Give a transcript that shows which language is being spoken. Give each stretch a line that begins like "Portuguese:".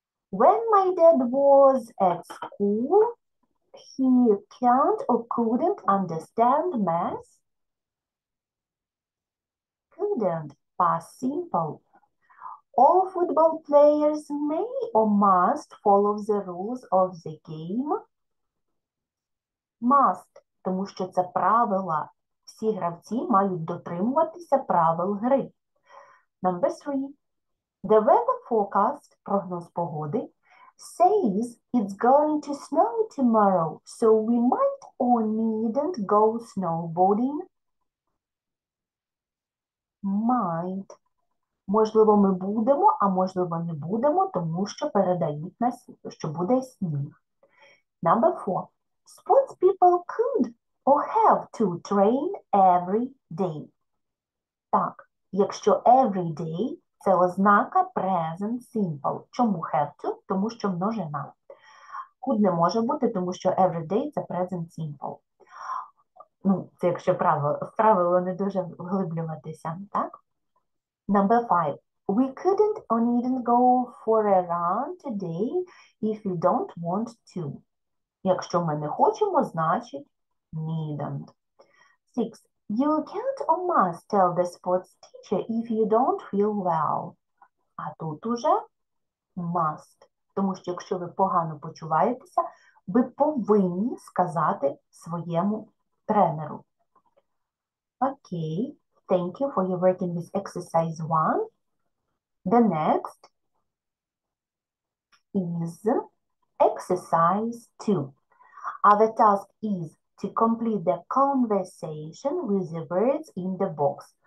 English: When my dad was at school, he can't or couldn't understand math. Couldn't, past simple. All football players may or must follow the rules of the game. Must,
Ukrainian: тому що це правила. Всі гравці мають дотримуватися правил гри.
English: Number 3. The weather forecast,
Ukrainian: прогноз погоди,
English: says it's going to snow tomorrow, so we might or needn't go snowboarding. Might.
Ukrainian: Можливо, ми будемо, а можливо, не будемо, тому що передають нас, що буде сніг.
English: Number four. Sports people could or have to train every day.
Ukrainian: Так, якщо every day – це ознака present simple. Чому have to? Тому що множина. Could не може бути, тому що every day – це present simple. Ну, це якщо правило не дуже вглиблюватися, так?
English: Number five. We couldn't or needn't go for a run today if we don't want to.
Ukrainian: Якщо ми не хочемо, значить needn't. Six.
English: You can't or must tell the sports teacher if you don't feel well.
Ukrainian: А тут уже must. Тому що якщо ви погано почуваєтеся, ви повинні сказати своєму тренеру. Окей.
English: Thank you for your work in this exercise one. The next is exercise two. Our task is to complete the conversation with the words in the box.